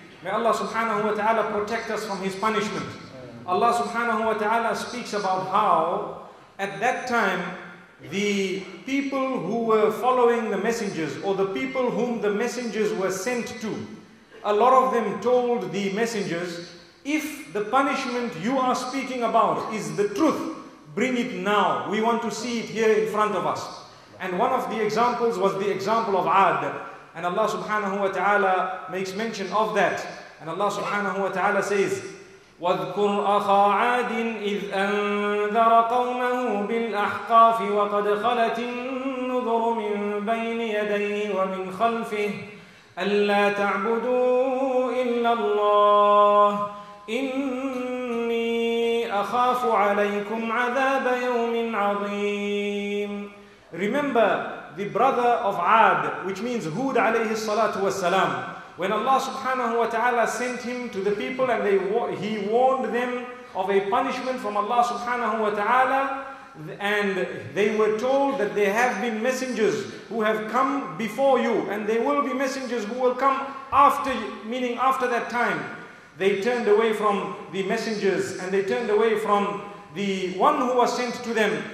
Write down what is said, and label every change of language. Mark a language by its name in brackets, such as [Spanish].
[English] May Allah subhanahu wa ta'ala protect us from His punishment. Allah subhanahu wa ta'ala speaks about how at that time the people who were following the messengers or the people whom the messengers were sent to, a lot of them told the messengers, if the punishment you are speaking about is the truth, bring it now. We want to see it here in front of us. And one of the examples was the example of Aad. And Allah subhanahu wa ta'ala makes mention of that. And Allah subhanahu wa ta'ala says, [Arabic] وَاذْكُرْ أَخَا عَادٍ إِذْ أَنذَرَ قَوْمَهُ بِالْأَحْقَافِ وَقَدْ خَلَتِ النُّذُرُ مِنْ بَيْنِ يَدَيْهِ وَمِنْ خَلْفِهِ أَلَّا تَعْبُدُوا إِلَّا اللَّهِ إِنِّي أَخَافُ عَلَيْكُمْ عَذَابَ يَوْمٍ عَظِيمٍ. [English] Remember the brother of Aad, which means Hud alayhi salatu wasalam. When Allah subhanahu wa ta'ala sent him to the people and he warned them of a punishment from Allah subhanahu wa ta'ala, and they were told that there have been messengers who have come before you and there will be messengers who will come after, meaning after that time, they turned away from the messengers and they turned away from the one who was sent to them.